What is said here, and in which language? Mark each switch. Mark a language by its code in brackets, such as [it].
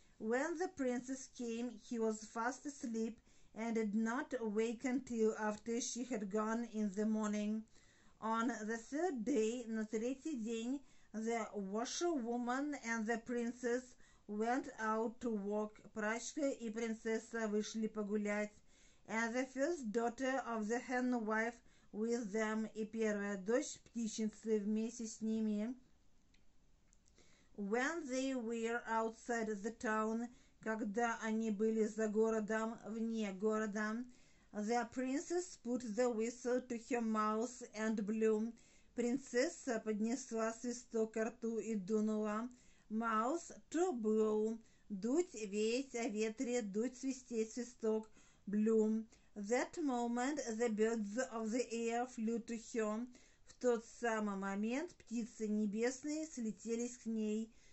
[en] When the princess came, he was fast asleep and did not wake until after she had gone in the morning. On the third day, [ru] на третий день, [en] the washerwoman and the princess went out to walk. [ru] Прачка и принцесса вышли погулять. [en] And the first daughter of the hen wife with them, [ru] и первая дочь птичницы вместе с ними. [en] When they were outside the town, [ru] Когда они были за городом, вне города, [en] the princess put the whistle to her mouth and blew. [ru] Принцесса поднесла свисток ко рту и дунула. [en] Mouth to blow. [ru] Дуть, веять о ветре, дуть, свистеть свисток. [en] Blew. That moment the birds of the air flew to her. [ru] В тот самый момент птицы небесные слетелись к ней.